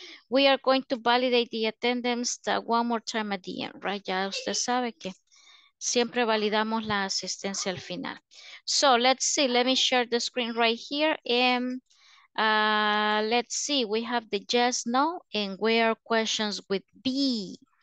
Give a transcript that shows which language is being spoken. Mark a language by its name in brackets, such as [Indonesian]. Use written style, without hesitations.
[English] We are going to validate the attendance one more time at the end, right? [Spanish] Ya usted sabe que siempre validamos la asistencia al final. [English] So let's see, let me share the screen right here. And let's see, we have the yes, no, and where questions with B.